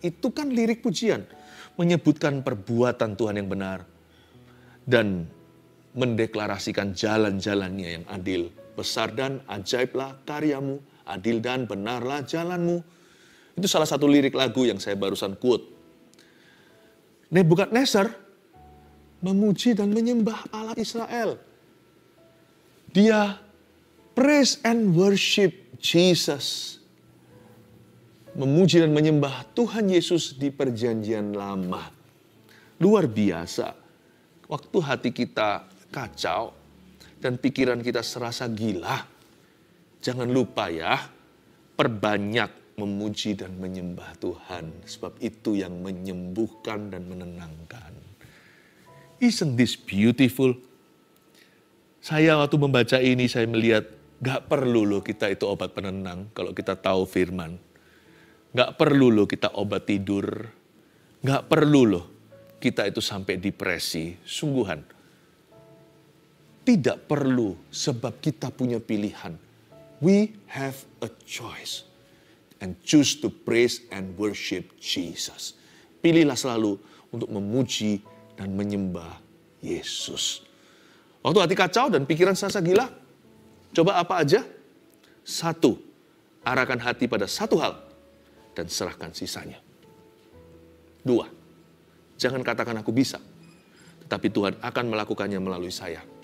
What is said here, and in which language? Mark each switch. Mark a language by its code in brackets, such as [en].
[id] Itu kan lirik pujian, menyebutkan perbuatan Tuhan yang benar dan mendeklarasikan jalan-jalannya yang adil. Besar dan ajaiblah karyamu, adil dan benarlah jalanmu. Itu salah satu lirik lagu yang saya barusan quote. Nebukadnezar memuji dan menyembah Allah Israel. Dia [en] praise and worship Jesus. [id] Memuji dan menyembah Tuhan Yesus di perjanjian lama. Luar biasa. Waktu hati kita kacau dan pikiran kita serasa gila, jangan lupa ya, perbanyak memuji dan menyembah Tuhan. Sebab itu yang menyembuhkan dan menenangkan. [en] Isn't this beautiful? [id] Saya waktu membaca ini, saya melihat gak perlu loh kita itu obat penenang kalau kita tahu firman. Gak perlu loh kita obat tidur. Gak perlu loh kita itu sampai depresi. Sungguhan. Tidak perlu, sebab kita punya pilihan. [en] We have a choice and choose to praise and worship Jesus. [id] Pilihlah selalu untuk memuji dan menyembah Yesus. Waktu hati kacau dan pikiran serasa gila, coba apa aja? Satu, arahkan hati pada satu hal dan serahkan sisanya. Dua, jangan katakan aku bisa, tetapi Tuhan akan melakukannya melalui saya.